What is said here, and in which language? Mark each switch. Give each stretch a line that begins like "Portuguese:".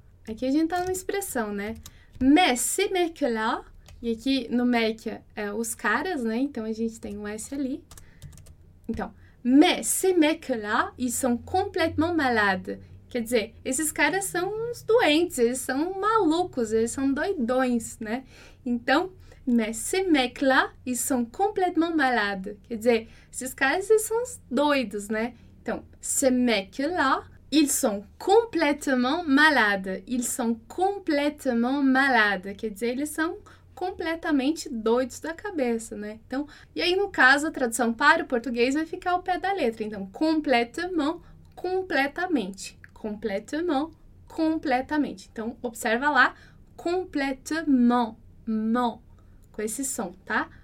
Portuguese: Aqui a gente tá numa expressão, né?
French: Mais ces mecs-là,
Portuguese: e aqui no mec é os caras, né? Então a gente tem um S ali.
French: Então, mais ces mecs-là, ils sont complètement malades.
Portuguese: Quer dizer, esses caras são uns doentes, eles são malucos, eles são doidões, né?
French: Então, mais ces mecs-là, ils sont complètement malades.
Portuguese: Quer dizer, esses caras, eles são uns doidos, né?
French: Então, ces mecs-là, ils sont complètement malades. Ils sont complètement malades.
Portuguese: Quer dizer, eles são completamente doidos da cabeça, né? Então, e aí, no caso, a tradução para o português vai ficar ao pé da letra. Então, complètement, completamente. Completement, completamente. Então, observa lá. Completement, mon. Com esse som, tá?